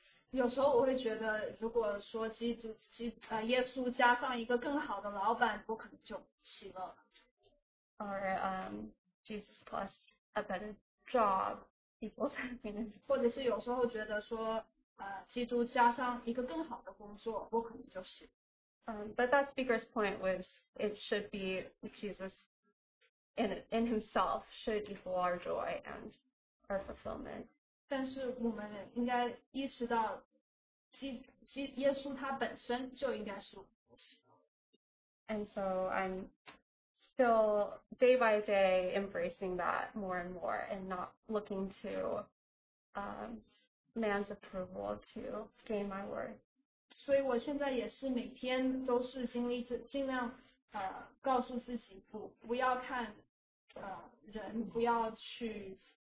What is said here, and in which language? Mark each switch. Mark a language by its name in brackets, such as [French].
[Chinese] 有时候我会觉得，如果说耶稣加上一个更好的老板，我可能就喜乐了。 [English] Or Jesus plus a better job equals happiness. [Chinese] 或者是有时候觉得说，基督加上一个更好的工作，我可能就喜乐。 [English] But that speaker's point was it should be Jesus in himself should equal our joy and our fulfillment. [Chinese] 但是我们应该意识到耶稣他本身就应该是我们的喜乐。 [English] And so I'm still day by day embracing that more and more and not looking to man's approval to gain my worth. [Chinese] 所以我现在也是每天都是尽量告诉自己不要看人，不要去